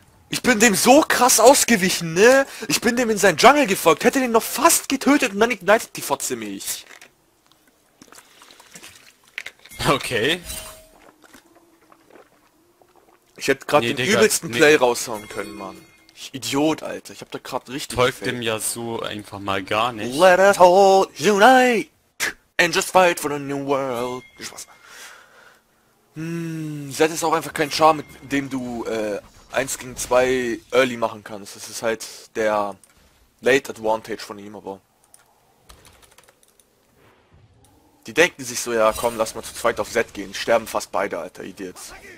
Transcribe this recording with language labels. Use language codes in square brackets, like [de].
[de] Ich bin dem so krass ausgewichen, ne? Ich bin dem in seinen Jungle gefolgt, hätte den noch fast getötet und dann ignited die Fotze mich. Okay. Ich hätte gerade den übelsten Play raushauen können, Mann. Ich Idiot, Alter. Ich hab da gerade richtig. Folgt dem Yasuo einfach mal gar nicht. [en] Let us all unite and just fight for the new world. [de] Viel Spaß. Set ist auch einfach kein Char, mit dem du 1 gegen 2 early machen kannst. Das ist halt der Late Advantage von ihm, aber. Die denken sich so, ja komm, lass mal zu zweit auf Set gehen. Sterben fast beide, Alter, Idiots.